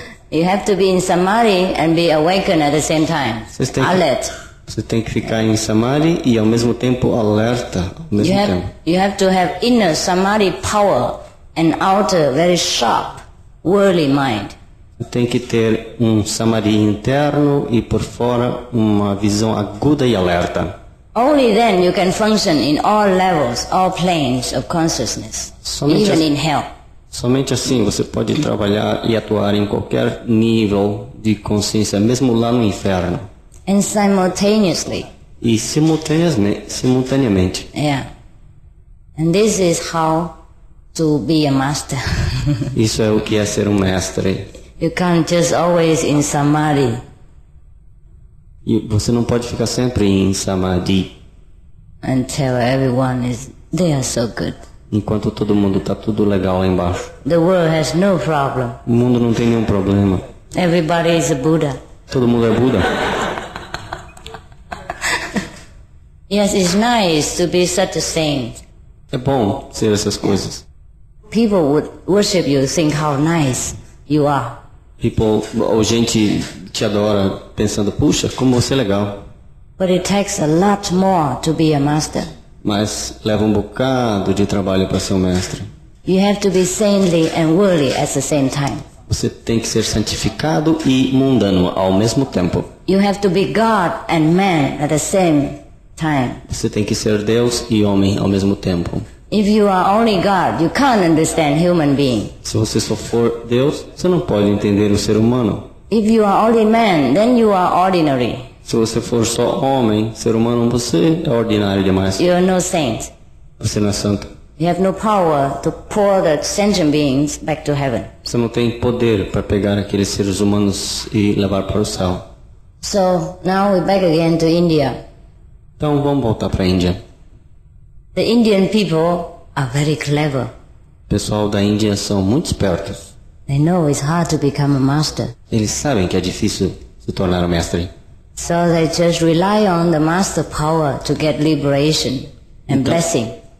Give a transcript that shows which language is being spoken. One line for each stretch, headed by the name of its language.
English: You have to be in Samadhi and be awakened at the same time. Alert.
Portuguese: Você tem que ficar em Samadhi e ao mesmo tempo alerta.
English: You have to have inner Samadhi power and outer very sharp worldly mind.
Portuguese: Você tem que ter um Samadhi interno e por fora uma visão aguda e alerta.
English: Only then you can function in all levels, all planes of consciousness, even in hell.
Portuguese: Somente assim você pode trabalhar e atuar em qualquer nível de consciência, mesmo lá no inferno.
English: And simultaneously.
Portuguese: E simultaneamente.
English: Yeah. And this is how to be a master.
Portuguese: Isso é o que é ser um mestre.
English: You can't just always in Samadhi.
Portuguese: E você não pode ficar sempre em Samadhi.
English: And tell everyone is they are so good.
Portuguese: Enquanto todo mundo está tudo legal lá embaixo.
English: The world has no problem.
Portuguese: O mundo não tem nenhum problema.
English: Everybody is a Buddha.
Portuguese: Todo mundo é Buda.
English: Yes, it's nice to be such a saint.
Portuguese: É bom ser essas coisas.
English: People would worship you, think how nice you are.
Portuguese: Gente te adora pensando, puxa, como você é legal.
English: But it takes a lot more to be a master.
Portuguese: Mas leva um bocado de trabalho para ser um mestre.
English: You have to be saintly and worldly at the same time.
Portuguese: Você tem que ser santificado e mundano ao mesmo tempo.
English: You have to be God and man at the same time.
Portuguese: Você tem que ser Deus e homem ao mesmo tempo.
English: If you are only God, you can't understand human being.
Portuguese: Se você só for Deus, você não pode entender o ser humano.
English: If you are only man, then you are ordinary.
Portuguese: Se você for só homem, ser humano, você é ordinário demais.
English: You are no saint.
Portuguese: Você não é santo.
English: You have no power to pull the sentient beings back to heaven.
Portuguese: Você não tem poder para pegar aqueles seres humanos e levar para o céu.
English: So, now we're back again to India.
Portuguese: Então vamos voltar para a Índia.
English: The Indian people are very clever.
Portuguese: O pessoal da Índia são muito espertos.
English: They know it's hard to become a master.
Portuguese: Eles sabem que é difícil se tornar um mestre.
English: So they just rely on the master power to get liberation and
Portuguese: então,
English: blessing.